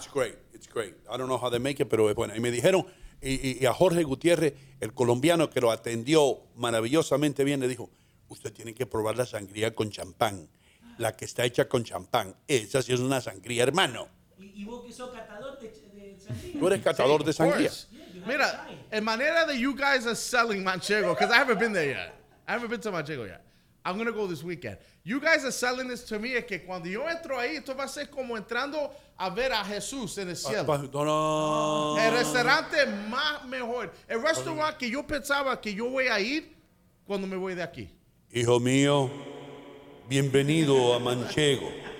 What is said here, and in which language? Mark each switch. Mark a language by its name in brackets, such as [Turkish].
[English] It's great. I don't know how they make it, [Spanish] pero es buena. Y me dijeron, y a Jorge Gutiérrez, el colombiano que lo atendió maravillosamente bien, le dijo, usted tiene que probar la sangría con champán. La que está hecha con champán. Esa sí es una sangría, hermano. ¿Y vos que sos catador de Tú eres catador de sangría. Mira, en manera de [English] you guys are selling Manchego, because I haven't been there yet. I haven't been to Manchego yet. I'm going to go this weekend. You guys are selling this to me. [Spanish] Es que cuando yo entro ahí, esto va a ser como entrando a ver a Jesús en el cielo. El restaurante más mejor. El restaurante que yo pensaba que yo voy a ir cuando me voy de aquí. Hijo mío, bienvenido a Manchego.